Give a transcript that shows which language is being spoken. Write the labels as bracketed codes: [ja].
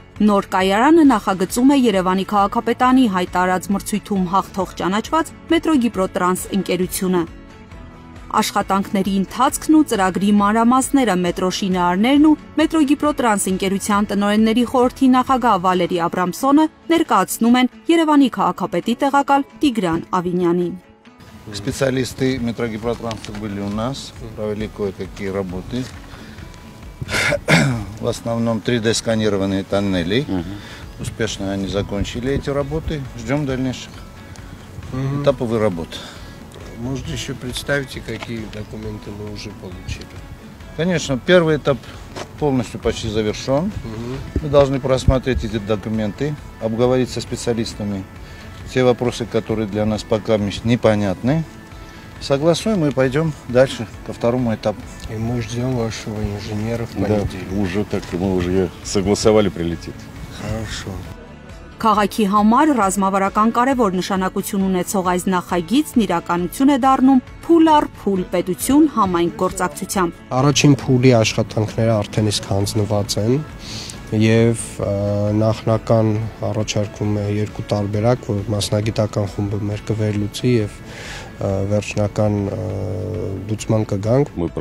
[hy] Նոր կայարանը նախագծում է Երևանի քաղաքապետանի հայտարած մրցույթում հաղթող ճանաչված Մետրոգիպրոտրանս ընկերությունը։ Աշխատանքների ընթացքն ու ծրագրի մանրամասները մետրոշինարներն ու Մետրոգիպրոտրանս ընկերության տնօրենների խորհրդի նախագահ Վալերի Աբրամսոնը ներկայացնում են Երևանի քաղաքապետի տեղակալ Տիգրան Ավինյանին։ [ru] Սպեցիալիստի Մետրոգիպրոտրանս были у нас, провели кое-какие работы. В основном 3D-сканированные тоннели. Успешно они закончили эти работы. Ждем дальнейших этаповых работ. Можете еще представить, какие документы мы уже получили? Конечно, первый этап полностью почти завершен. Мы должны просмотреть эти документы, обговорить со специалистами те вопросы, которые для нас пока непонятны. Согласуем и пойдем дальше, ко второму этапу. И мы ждем вашего инженера в понедельник. Да, уже так, мы уже согласовали, прилетит. Хорошо. [hy] Քաղաքի համար ռազմավարական կարևոր նշանակություն ունեցող այս նախագիծն իրականություն է դառնում փուլ առ փուլ պետություն համայնք գործակցությամբ։ Առաջին փուլի աշխատանքները արդեն իսկ հանձնված են եւ նախնական առաջարկում է երկու տարբերակ, որ մասնագիտական խումբը մեր կվերլուծի եւ վերջնական լուծման կգանք։